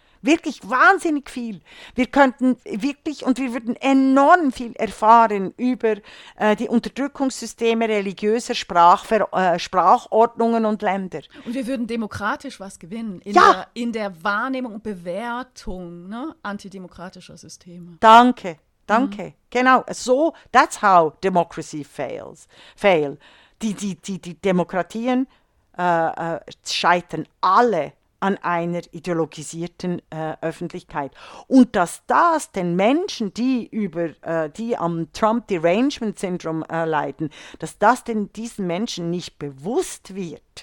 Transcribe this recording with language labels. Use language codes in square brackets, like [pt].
[de] Wirklich wahnsinnig viel. Wir könnten wirklich und wir würden enorm viel erfahren über die Unterdrückungssysteme religiöser Sprachordnungen und Länder. Und wir würden demokratisch was gewinnen in der Wahrnehmung und Bewertung, ne, antidemokratischer Systeme. Danke. Mhm. [en] Genau, so, that's how democracy fails. [de] Die Demokratien scheitern alle an einer ideologisierten Öffentlichkeit. Und dass das den Menschen, die am Trump Derangement Syndrome leiden, dass das denn diesen Menschen nicht bewusst wird,